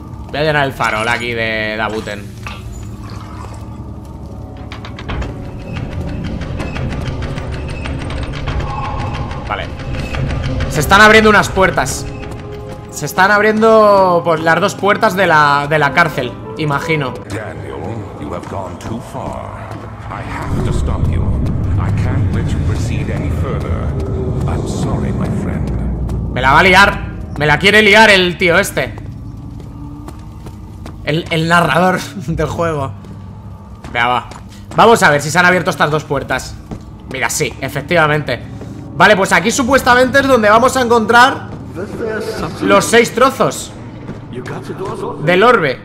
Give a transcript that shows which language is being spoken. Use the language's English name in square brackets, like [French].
[Spanish] Voy a llenar el farol aquí de Dabuten. Vale. Se están abriendo unas puertas. Se están abriendo, pues, las dos puertas de la cárcel, imagino. [English] Daniel, you have gone too far. I have to stop you. I can't let you proceed any further. I'm sorry, my friend. [Spanish] Me la va a liar. Me la quiere liar el tío este. El narrador del juego. Vea, va. Vamos a ver si se han abierto estas dos puertas. Mira, sí, efectivamente. Vale, pues aquí supuestamente es donde vamos a encontrar los 6 trozos del orbe.